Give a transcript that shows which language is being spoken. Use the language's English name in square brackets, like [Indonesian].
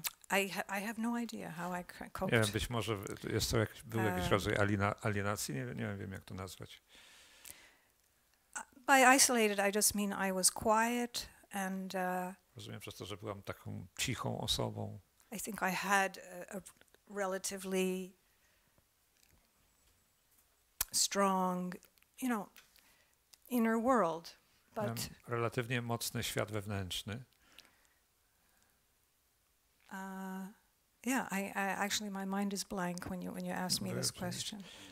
[English] I have no idea how I coped. [Polish] Nie wiem, być może jest to był jakiś rodzaj alienacji, nie wiem jak to nazwać. [English] By isolated I just mean I was quiet and [Polish] rozumiem przez to, że byłam taką cichą osobą. [English] I think I had a relatively strong, you know, inner world. [Polish] Miałem relatywnie mocny świat wewnętrzny. [English] I actually my mind is blank when you ask me this question.